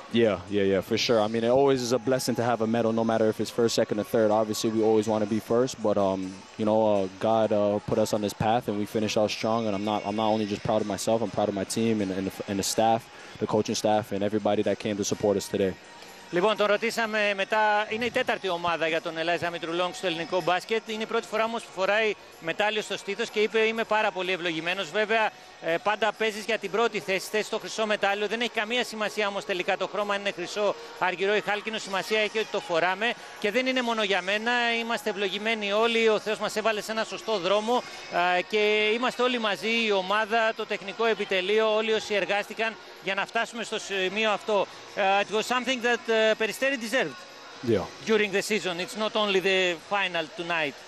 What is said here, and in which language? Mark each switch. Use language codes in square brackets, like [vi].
[en] Yeah, for sure. I mean, it always is a blessing to have a medal, no matter if it's first, second, or third. Obviously, we always want to be first, but you know, God put us on this path, and we finish out strong. And I'm not only just proud of myself; I'm proud of my team and the staff, the coaching staff, and everybody that came to support us today. [el] Λοιπόν, τον ρωτήσαμε μετά, είναι η τέταρτη ομάδα για τον Ελάιζα Μητρουλόγκ στο ελληνικό μπάσκετ. Είναι η πρώτη φορά όμως που φοράει μετάλλιο στο στήθος και είπε: Είμαι πάρα πολύ ευλογημένος. Βέβαια, πάντα παίζεις για την πρώτη θέση, θέση το χρυσό μετάλλιο. Δεν έχει καμία σημασία όμως τελικά το χρώμα, αν είναι χρυσό, αργυρό ή χάλκινο. Σημασία έχει ότι το φοράμε και δεν είναι μόνο για μένα. Είμαστε ευλογημένοι όλοι. Ο Θεός μας έβαλε σε ένα σωστό δρόμο και είμαστε όλοι μαζί, η ομάδα, το τεχνικό επιτελείο, όλοι όσοι εργάστηκαν για να φτάσουμε στο σημείο αυτό. [en] It was something that Peristeri deserved. Yeah. During the season, it's not only the final tonight.